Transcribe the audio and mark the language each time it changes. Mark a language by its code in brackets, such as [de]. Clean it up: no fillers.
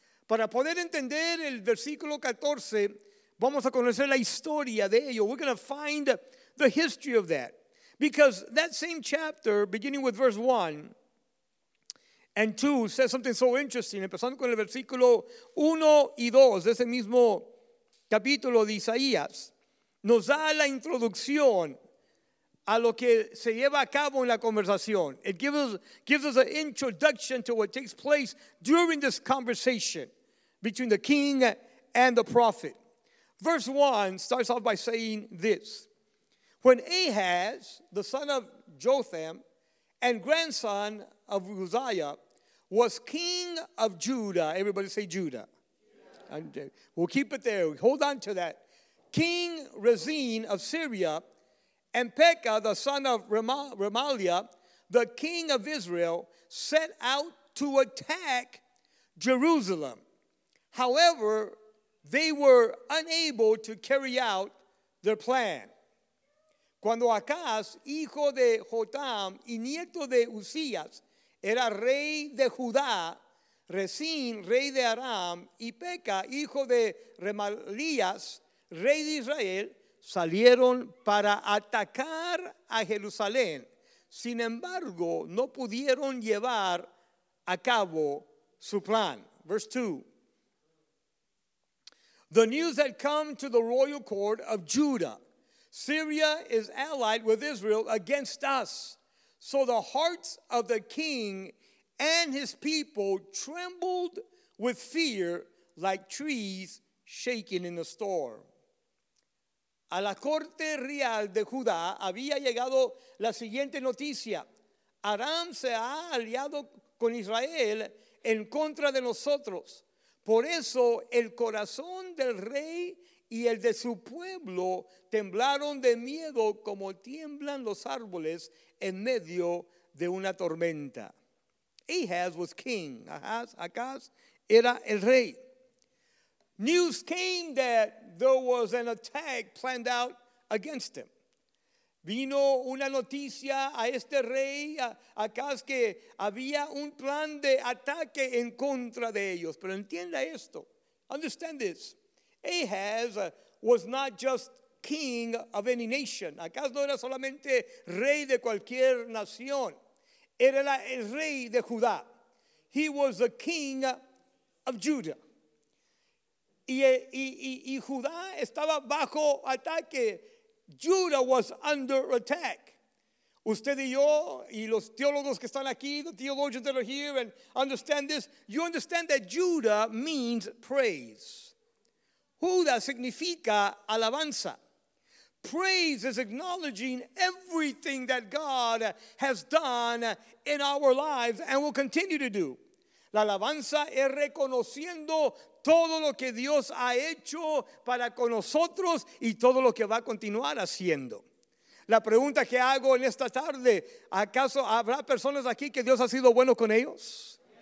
[es] Para poder entender el versículo 14, vamos a conocer la historia de ello. [en] We're going to find the history of that. Because that same chapter, beginning with verse 1 and 2, says something so interesting. [es] Empezando con el versículo 1 y 2, ese mismo capítulo de Isaías, nos da la introducción a lo que se lleva a cabo en la conversación. [en] It gives us an introduction to what takes place during this conversation between the king and the prophet. Verse 1 starts off by saying this: when Ahaz, the son of Jotham and grandson of Uzziah, was king of Judah. Everybody say Judah. And we'll keep it there. Hold on to that. King Rezin of Syria, and Pekah, the son of Remaliah, the king of Israel, set out to attack Jerusalem. However, they were unable to carry out their plan. [es] Cuando Acaz, hijo de Jotam y nieto de Uzías, era rey de Judá, Rezin, rey de Aram, y Pekah, hijo de Remaliah, rey de Israel, salieron para atacar a Jerusalén. Sin embargo, no pudieron llevar a cabo su plan. [en] Verse 2. The news had come to the royal court of Judah. Syria is allied with Israel against us. So the hearts of the king and his people trembled with fear like trees shaking in a storm. [es] A la corte real de Judá había llegado la siguiente noticia. Aram se ha aliado con Israel en contra de nosotros. Por eso el corazón del rey y el de su pueblo temblaron de miedo como tiemblan los árboles en medio de una tormenta. [en] Ahaz was king. [es] Ahaz era el rey. [en] News came that there was an attack planned out against him. [es] Vino una noticia a este rey, Acaz, que había un plan de ataque en contra de ellos. Pero entienda esto. [en] Understand this. Ahaz was not just king of any nation. [es] Acaz no era solamente rey de cualquier nación. Era el rey de Judá. [en] He was the king of Judah. [es] Y Judá estaba bajo ataque. [en] Judah was under attack. [es] Usted y yo, y los teólogos que están aquí, [en] the theologians that are here and understand this, you understand that Judah means praise. [es] Judah significa alabanza. [en] Praise is acknowledging everything that God has done in our lives and will continue to do. [es] La alabanza es reconociendo todo lo que Dios ha hecho para con nosotros y todo lo que va a continuar haciendo. La pregunta que hago en esta tarde, ¿acaso habrá personas aquí que Dios ha sido bueno con ellos?